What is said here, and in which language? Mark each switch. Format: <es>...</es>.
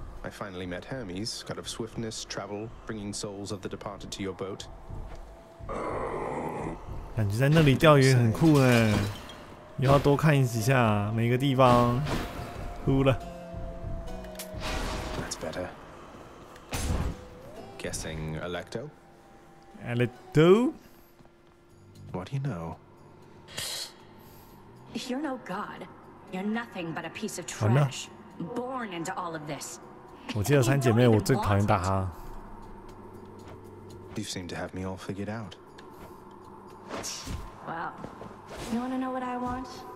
<en>I finally met Hermes, god of swiftness, travel, bringing souls of the departed to your boat.</en> <zh>感觉在那里钓鱼很酷呢，以后多看一下每个地方。哭了。</zh> <en>Guessing Alecto? Alecto? What do you know? You're no god. You're nothing but a piece of trash. Born into all of this.</en> <zh>我记得三姐妹，我最讨厌打哈。</zh> <en>You seem to have me all figured out. Well, you want to know what I want?</en>